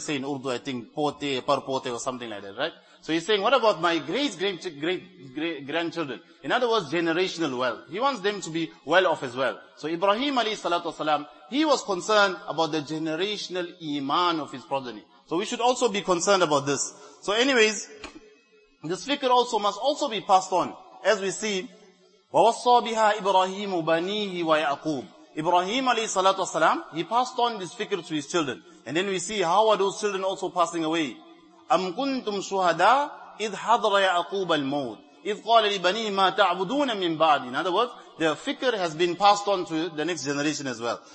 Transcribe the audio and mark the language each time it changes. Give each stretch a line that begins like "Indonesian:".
English: Say in Urdu, I think, pote, parpote, or something like that, right? So he's saying, what about my great-great-grandchildren? In other words, generational wealth. He wants them to be well off as well. So Ibrahim alayhi salatu wasalam, he was concerned about the generational iman of his progeny. So we should also be concerned about this. So anyways, this fikr also must also be passed on. As we see,
Arabic: وَوَصَّى بِهَا إِبْرَاهِيمُ بَنِيهِ وَيَعْقُوبُ.
English: Ibrahim alayhi salatu wasalam, he passed on this fikr to his children. And then we see, how are those children also passing away?
Arabic: أَمْ كُنْتُمْ شُهَدَىٰ إِذْ حَضْرَ يَعْقُوبَ الْمَوْتِ إِذْ قَالَ لِبَنِيهِ مَا تَعْبُدُونَ مِنْ بَعْدِ.
English: In other words, the fikr has been passed on to the next generation as well.